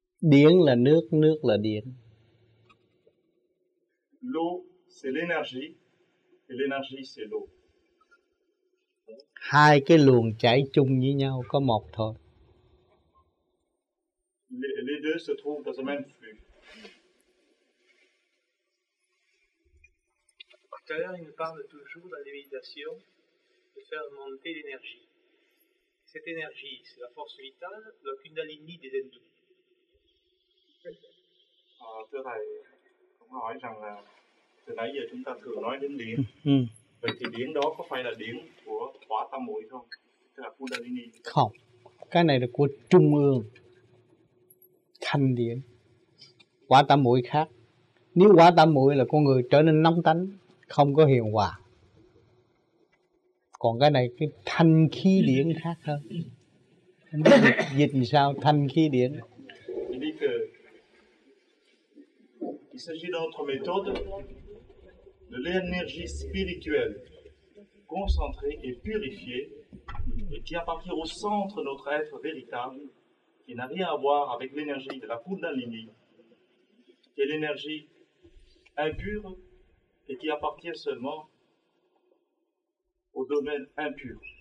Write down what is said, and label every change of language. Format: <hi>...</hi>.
<vi>Điện là nước, nước là điện.</vi> <fr>L'eau, c'est l'énergie, et l'énergie, c'est l'eau.</fr> <vi>Hai cái luồng chảy chung với nhau, có một thôi.</vi> <fr>Les deux se trouvent dans le même flux. Tout à l'heure, il nous parle toujours dans les méditations de faire monter l'énergie. Cette énergie, c'est la force vitale, la kundalini des hindous.</fr> <vi>Thưa thầy, ông hỏi rằng là từ nãy giờ chúng ta thường nói đến điện, vậy thì điện đó có phải là điện của hỏa tâm muội không? Tức là kundalini? Không, cái này là của trung ương thanh điện. Hỏa tâm muội khác. Nếu hỏa tâm muội là con người trở nên nóng tánh, không có hiền hòa. Còn cái này cái thanh khí điện khác hơn. Không biết dịch sao thanh khí điện.</vi> <fr>Il s'agit d'autre méthode, de l'énergie spirituelle concentrée et purifiée, et qui appartient au centre de notre être véritable, qui n'a rien à voir avec l'énergie de la Kundalini, qui est l'énergie impure et qui appartient seulement au domaine impur.</fr>